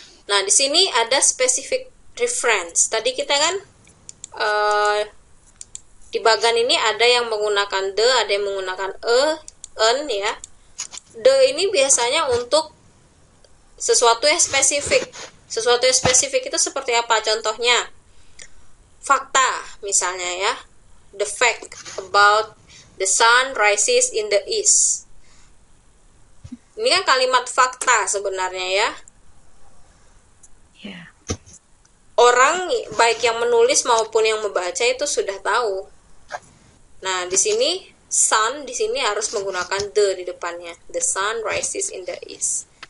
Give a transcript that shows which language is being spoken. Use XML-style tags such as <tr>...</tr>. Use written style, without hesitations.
<id>Nah, di sini ada specific reference. Tadi kita kan di bagan ini ada yang menggunakan the, ada yang menggunakan an ya. The ini biasanya untuk sesuatu yang spesifik. Sesuatu yang spesifik itu seperti apa? Contohnya fakta misalnya ya.</id> <en>The fact about the sun rises in the east.</en> <id>Ini kan kalimat fakta sebenarnya ya.</id> <en>Yeah.</en> <id>Orang baik yang menulis maupun yang membaca itu sudah tahu. Nah, di sini sun di sini harus menggunakan the di depannya.</id> <en>The sun rises in the east.</en>